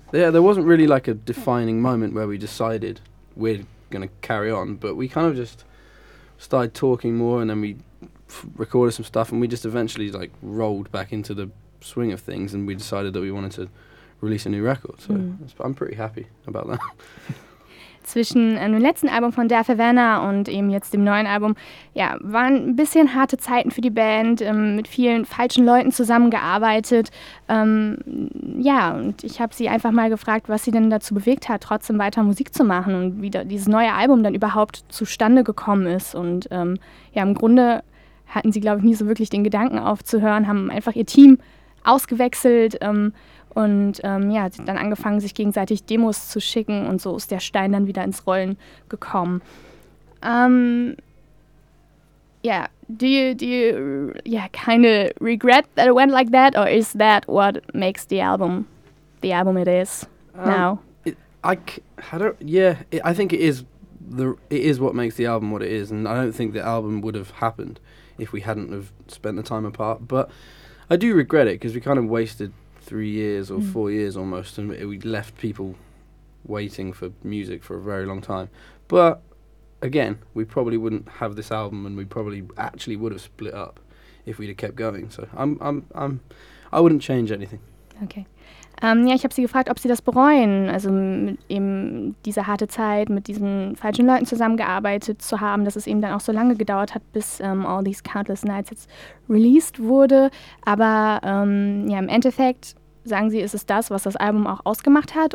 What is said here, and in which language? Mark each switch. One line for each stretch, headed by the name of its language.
English: Yeah, there wasn't really like a defining moment where we decided we're going to carry on, but we kind of just started talking more, and then we recorded some stuff, and we just eventually like rolled back into the swing of things, and we decided that we wanted to release a new record. So I'm pretty happy about that.
German: Zwischen dem letzten Album von Der Verwerner und eben jetzt dem neuen Album, ja, waren ein bisschen harte Zeiten für die Band, mit vielen falschen Leuten zusammengearbeitet. Und ich habe sie einfach mal gefragt, was sie denn dazu bewegt hat, trotzdem weiter Musik zu machen und wie dieses neue Album dann überhaupt zustande gekommen ist. Und im Grunde hatten sie, glaube ich, nie so wirklich den Gedanken aufzuhören, haben einfach ihr Team ausgewechselt. Und dann angefangen, sich gegenseitig Demos zu schicken, und so ist der Stein dann wieder ins Rollen gekommen.
English: Do you kind of regret that it went like that, or is that what makes the album it is now? I think it is what makes the album what it is, and I don't think the album would have happened if we hadn't have spent the time apart. But I do regret it, because we kind of wasted 3 years or 4 years almost, and we left people waiting for music for a very long time. But again, we probably wouldn't have this album, and we probably actually would have split up if we'd have kept going. So I wouldn't change anything. Okay.
German: Ich habe sie gefragt, ob sie das bereuen, also eben diese harte Zeit mit diesen falschen Leuten zusammengearbeitet zu haben, dass es eben dann auch so lange gedauert hat, bis All These Countless Nights jetzt released wurde. Aber im Endeffekt sagen sie, ist es das, was das Album auch ausgemacht hat.